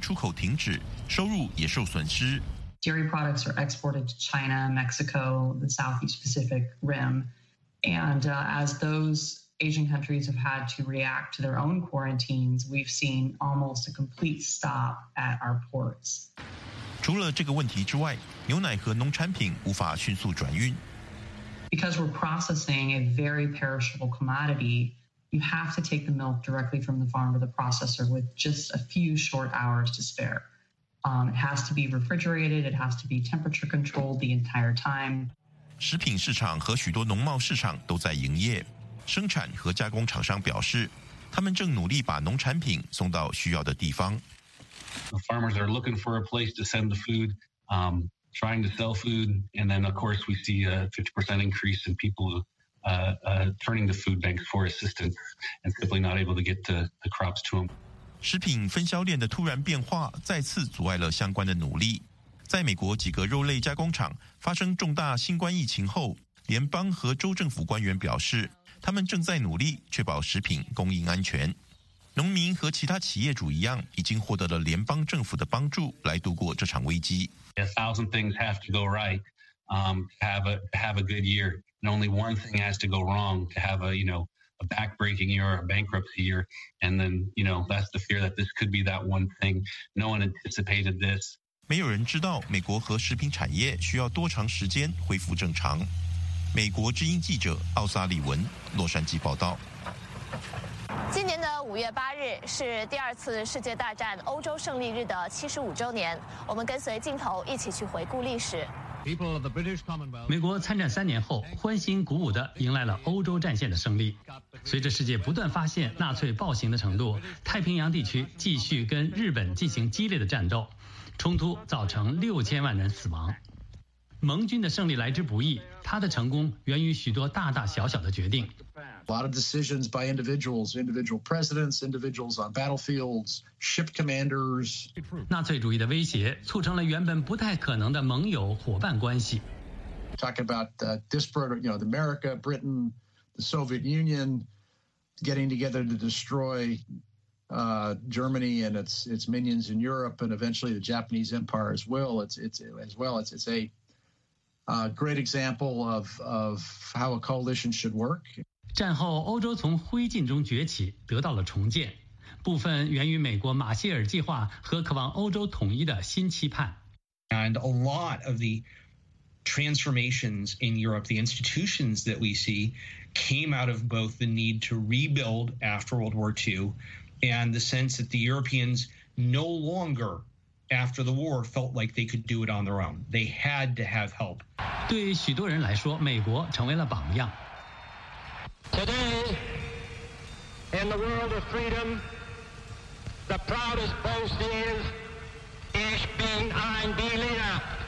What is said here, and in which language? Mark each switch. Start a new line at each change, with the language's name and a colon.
Chinese: 与此同时，农民因食品出口停止，收入也受损失。
English: Dairy products are exported to China, Mexico, the Southeast Pacific Rim. And as those Asian countries have had to react to their own quarantines, we've seen almost a complete stop at our ports.
Chinese: 除了这个问题之外，牛奶和农产品无法迅速转运。
English: Because we're processing a very perishable commodity, you have to take the milk directly from the farm to the processor with just a few short hours to spare. It has to be refrigerated. It has to be temperature controlled the entire time.
Chinese: 食品市场和许多农贸市场都在营业。生产和加工厂商表示，他们正努力把农产品送到需要的地方。
English: The farmers are looking for a place to send the food, trying to sell food, and then of course we see a 50% increase in people turning to food banks for assistance and simply not able to get the crops to them.
Chinese: 食品分销链的突然变化再次阻碍了相关的努力。在美国几个肉类加工厂发生重大新冠疫情后，联邦和州政府官员表示，他们正在努力确保食品供应安全。农民和其他企业主一样，已经获得了联邦政府的帮助来度过这场危机。
English: A thousand things have to go right, have a good year, and only one thing has to go wrong to have a back-breaking year or a bankruptcy year, and then that's the fear that this could be that one thing. No one anticipated this.
Chinese: 没有人知道美国和食品产业需要多长时间恢复正常。美国之音记者奥萨利文，洛杉矶报道。今年的五月八日是第二次世界大战欧洲胜利日的75周年，我们跟随镜头一起去回顾历史。美国参战三年后，欢欣鼓舞地迎来了欧洲战线的胜利。随着世界不断发现纳粹暴行的程度，太平洋地区继续跟日本进行激烈的战斗，冲突造成6000万人死亡。盟军的胜利来之不易，他的成功源于许多大大小小的决定。
English: A lot of decisions by individuals, individual presidents, individuals on battlefields, ship commanders.
Chinese: 纳粹主义的威胁促成了原本不太可能的盟友伙伴关系。
English: Talk about disparate, the America, Britain, the Soviet Union getting together to destroy. Germany and its minions in Europe, and eventually the Japanese Empire as well. It's a great example of how a coalition should work.
Chinese: 战后，欧洲从灰烬中崛起，得到了重建，部分源于美国马歇尔计划和渴望欧洲统一的新期盼。
English: And a lot of the transformations in Europe, the institutions that we see, came out of both the need to rebuild after World War II. And the sense that the Europeans no longer, after the war, felt like they could do it on their own. They had to have help.
Chinese: 对于许多人来说，美国成为了榜样。
English: Today, in the world of freedom, the proudest boast is,
German: Ich bin ein Berliner.